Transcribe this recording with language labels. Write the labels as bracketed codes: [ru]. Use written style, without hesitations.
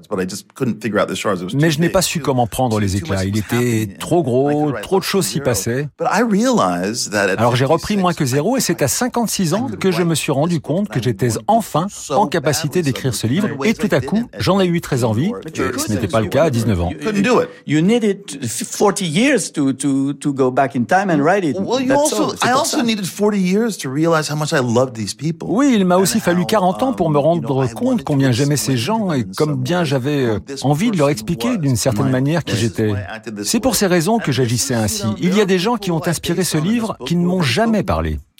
[fr] Mais je n'ai pas su comment prendre les éclats. Il était trop gros, trop de choses s'y passaient. Alors j'ai repris moins que zéro et c'est à 56 ans que je me suis rendu compte que j'étais enfin en capacité d'écrire ce livre. Et tout à coup, j'en ai eu très envie. Ce n'était pas le cas à 19 ans. [en] You needed 40 years to go back in time. [fr] Oui, il m'a aussi fallu 40 ans pour me rendre compte combien j'aimais ces gens et combien j'avais envie de leur expliquer d'une certaine manière qui j'étais. C'est pour ces raisons que j'agissais ainsi. Il y a des gens qui ont inspiré ce livre qui ne m'ont jamais parlé.